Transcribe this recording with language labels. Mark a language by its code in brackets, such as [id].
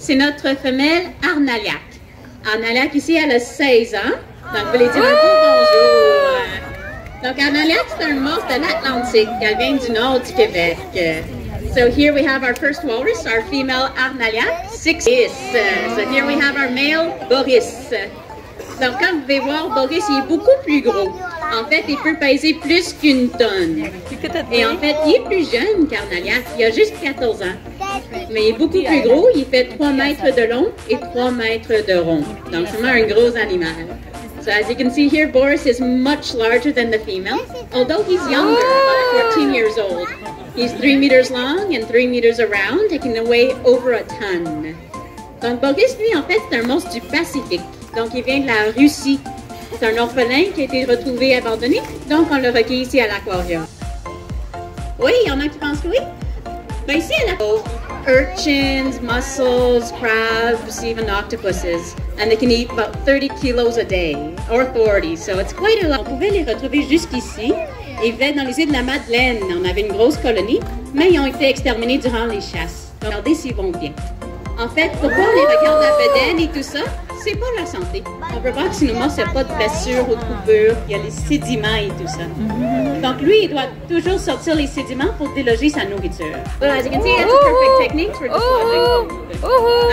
[fr] C'est notre femelle, Arnaliac. Arnaliac, ici, elle a 16 ans. Donc, vous voulez dire un coup, bonjour. Donc, Arnaliac, c'est un morse de l'Atlantique. Elle vient du nord du Québec. [en] So here we have our first walrus, our female Arnalia, 6 years. So here we have our male Boris. [fr] Donc comme vous pouvez voir, Boris il est beaucoup plus gros. En fait, il peut peser plus qu'une tonne. Et en fait, il est plus jeune qu'Arnalia. Il a juste 14 ans. Mais il est beaucoup plus gros. Il fait 3 mètres de long et 3 mètres de rond. Donc vraiment un gros animal. [en] So as you can see here, Boris is much larger than the female, although he's younger, about 14 years old. He's 3 meters long and 3 meters around, taking away over a ton. [fr] Donc Boris, lui, en fait, c'est un morse du Pacifique. Donc il vient de la Russie. C'est un orphelin qui a été retrouvé abandonné, donc on le recueille ici à l'aquarium. Oui, il y en a qui pensent que oui? Ben ici, elle a... [en] Urchins, mussels, crabs, even octopuses. And they can eat about 30 kilos a day, or 40, so it's quite a lot. [fr] On pouvait les retrouver jusqu'ici. Ils vivaient dans les îles de la Madeleine. On avait une grosse colonie, mais ils ont été exterminés durant les chasses. Donc, regardez s'ils vont bien. En fait, pourquoi on les regarde la bedaine et tout ça? C'est pour leur santé. On peut voir que si le morse n'a pas de blessures ou de coupures, il y a les sédiments et tout ça. Donc lui, il doit toujours sortir les sédiments pour déloger sa nourriture. [en] Well, as you can see, that's a perfect technique for dislodging.